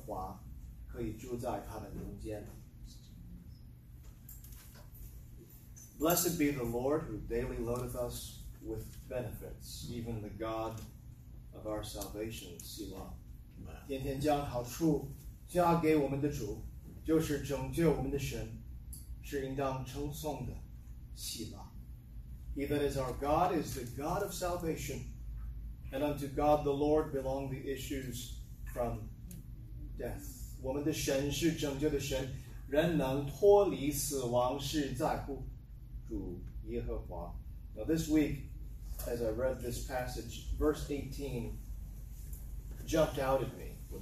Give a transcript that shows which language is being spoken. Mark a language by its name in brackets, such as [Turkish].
[Chinese] 第18节，你已经升上高天，你领着掳获的俘虏，你为人接受了礼物，是的，你为也为那悖逆的人，好叫耶和华可以住在他们中间。 [English] Blessed be the Lord who daily loadeth us with benefits, even the God of our salvation, Selah. [Chinese] 天天将好处加给我们的主，就是拯救我们的神，是应当称颂的，Selah. [English] He that is our God is the God of salvation, and unto God the Lord belong the issues from death. [Chinese] 我们的神是拯救的神，人能脱离死亡是在乎主耶和华。 [English] Now this week, as I read this passage, verse 18 jumped out at me.